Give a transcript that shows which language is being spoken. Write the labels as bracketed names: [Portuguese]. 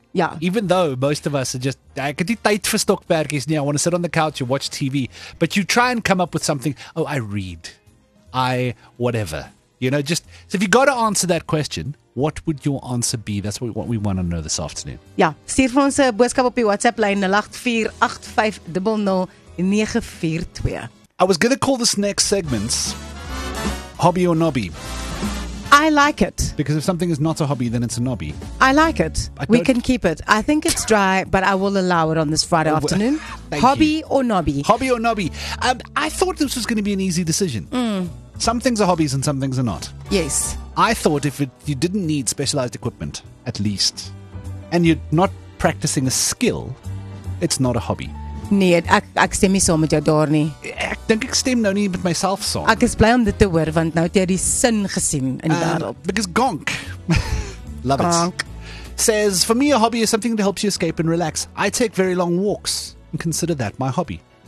[English] Yeah. Even though most of us are just, I could eat tight for stokperkies, I want to sit on the couch and watch TV. But you try and come up with something. Oh, I read. I whatever. You know, just, so if you got to answer that question, what would your answer be? That's what we want to know this afternoon. Yeah. [Afrikaans] Stuur vir ons 'n boodskap op die WhatsApp line 084-8500-942. [English] I was going to call this next segment Hobby or Nobby. I like it. Because if something is not a hobby, then it's a nobby. I like it. We can keep it. I think it's dry, but I will allow it on this Friday afternoon. Hobby or nobby? I thought this was going to be an easy decision. Mm. Some things are hobbies and some things are not. Yes. I thought you didn't need specialized equipment, at least, and you're not practicing a skill, it's not a hobby. [Afrikaans] Nee, ek stem nie saam met jou daar nie. Ek dink ek stem nou nie met myself saam. Ek is bly om dit te hoor, want nou het jy die sin gesien in die wêreld. [English] Because Gonk, love Gonk. It, says, for me a hobby is something that helps you escape and relax. I take very long walks and consider that my hobby.